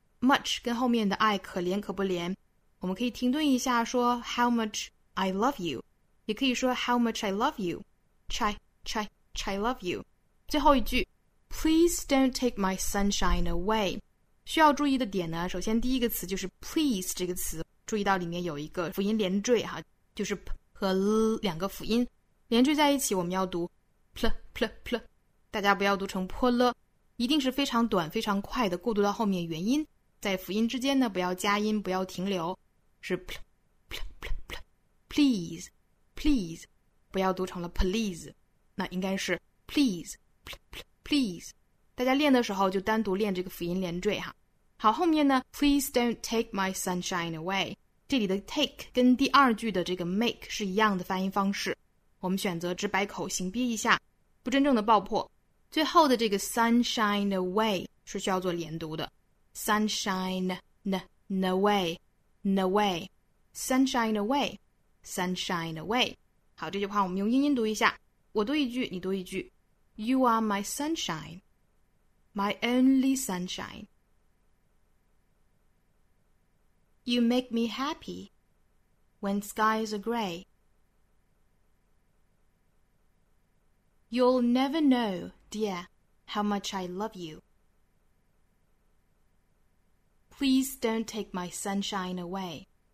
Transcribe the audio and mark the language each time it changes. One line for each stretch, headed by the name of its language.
Chinese: much 跟后面的 I 可连可不连，我们可以停顿一下说
English: how much I love you，
Chinese: 也可以说 how much
English: I love you，
Chinese: I love you。最后一句
English: Please don't take my sunshine away，
Chinese: 需要注意的点呢，首先第一个词就是 please 这个词，注意到里面有一个辅音连缀哈，就是 p 和 l 两个辅音连缀在一起，我们要读 p l pl 大家不要读成泼了，一定是非常短非常快的过渡到后面元音，在辅音之间呢不要加音不要停留，是 pl please please， 不要读成了 please， 那应该是 please please。大家练的时候就单独练这个辅音连缀哈。好，后面呢
English: please don't take my sunshine away，
Chinese: 这里的 take 跟第二句的这个 make 是一样的发音方式，我们选择直白口型憋一下，不真正的爆破。最后的这个
English: sunshine away 是需要做连读的， sunshine away
Chinese: away sunshine away sunshine away。好，这句话我们用英音读一下，我读一句你读一句，
English: You are my sunshine, my only sunshine. You make me happy when skies are grayYou'll never know, dear, how much I love you. Please don't take my sunshine away.